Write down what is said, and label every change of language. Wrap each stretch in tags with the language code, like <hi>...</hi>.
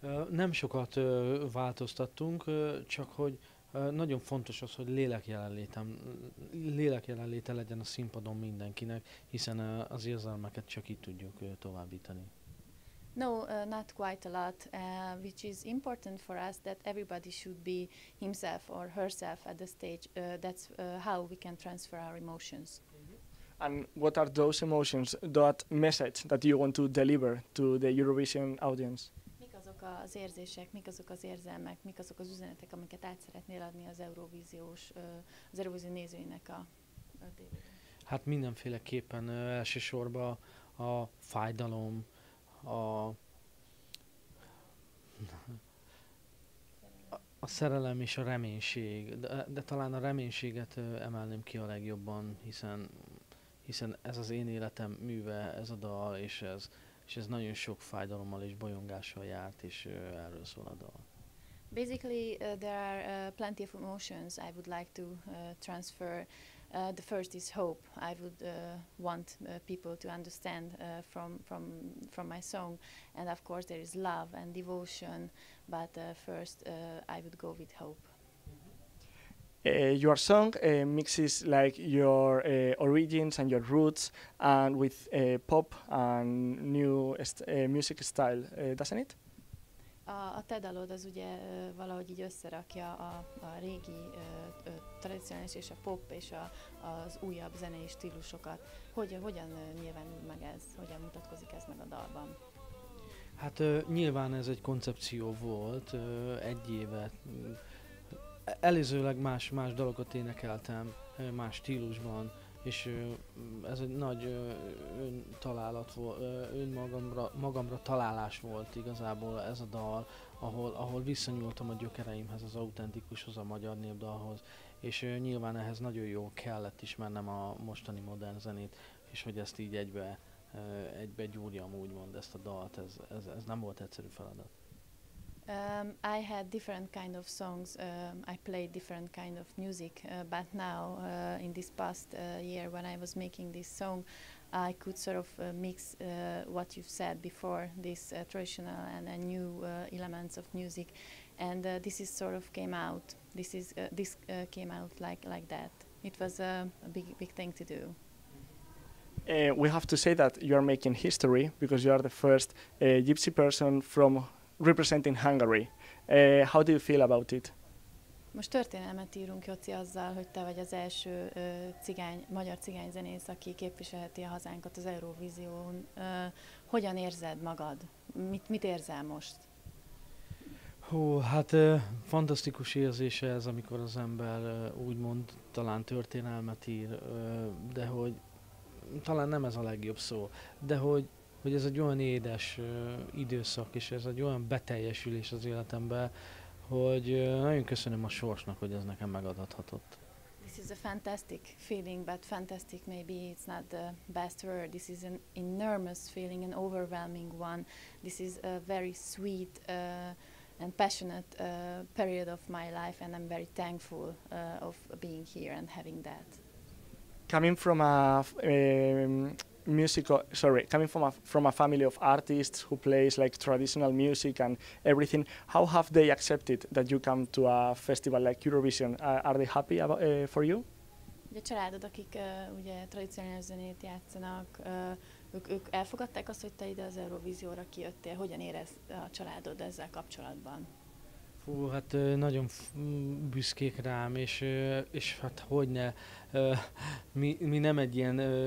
<hu>Nem sokat változtattunk, csak hogy nagyon fontos az, hogy lélek jelenléte legyen a színpadon mindenkinek, hiszen az érzelmeket csak így tudjuk továbbítani.</hu> <en>No, not quite a lot, which is important for us, that everybody should be himself or herself at the stage. That's how we can transfer our emotions. And what are those emotions, that message that you want to deliver to the Eurovision audience?</en> <hu>Mik azok az érzések, mik azok az érzelmek, mik azok az üzenetek, amiket át szeretnél adni az Eurovízió nézőinek a tévében? Hát mindenféleképpen elsősorban a fájdalom, a szerelem és a reménység, de talán a reménységet emelném ki a legjobban, hiszen ez az én életem műve, ez a dal, és ez nagyon sok fájdalommal és bolyongással járt, és erről szól a dal.</hu> <en>Basically, there are plenty of emotions I would like to transfer. The first is hope. I would want people to understand from my song, and of course there is love and devotion, but first I would go with hope. Your song mixes like your origins and your roots and with pop and new music style, doesn't it?</en> <hu>A te dalod az ugye valahogy így összerakja a régi tradicionális és a pop és az újabb zenei stílusokat. Hogyan nyilvánul meg ez? Hogyan mutatkozik ez meg a dalban? Hát nyilván ez egy koncepció volt egy évet. Előzőleg más dalokat énekeltem, más stílusban, és ez egy nagy öntalálat volt, önmagamra találás volt igazából ez a dal, ahol visszanyúltam a gyökereimhez, az autentikushoz, a magyar népdalhoz, és nyilván ehhez nagyon jól kellett ismernem a mostani modern zenét, és hogy ezt így egybe gyúrjam, úgymond ezt a dalt, ez nem volt egyszerű feladat.</hu> <en>I had different kind of songs, I played different kind of music, but now in this past year when I was making this song, I could sort of mix what you've said before, this traditional and new elements of music, and this is sort of came out, this came out like that. It was a big thing to do. We have to say that you are making history because you are the first gypsy person from representing Hungary. How do you feel about it?</en> <hu>Most történelmet írunk, Joci, azzal, hogy te vagy az első magyar cigány zenész, aki képviselheti a hazánkat az Eurovízión. Hogyan érzed magad? Mit érzel most? Hát fantasztikus érzése ez, amikor az ember úgymond talán történelmet ír, de hogy talán nem ez a legjobb szó, de hogy ez egy olyan édes időszak, és ez egy olyan beteljesülés az életemben, hogy nagyon köszönöm a sorsnak, hogy ez nekem megadhatott.</hu> <en>This is a fantastic feeling, but fantastic maybe it's not the best word. This is an enormous feeling, an overwhelming one. This is a very sweet and passionate period of my life, and I'm very thankful of being here and having that. Coming from a coming from a family of artists who plays like traditional music and everything, how have they accepted that you come to a festival like Eurovision? Are they happy about, for you?</en> <hu>Ugye a családod, akik ugye tradicionális zenét játszanak, ők elfogadták azt, hogy te ide az Eurovízióra kijöttél. Hogyan érez a családod ezzel kapcsolatban? Hú, hát nagyon büszkék rám, és hát hogyne, mi nem egy ilyen</hu>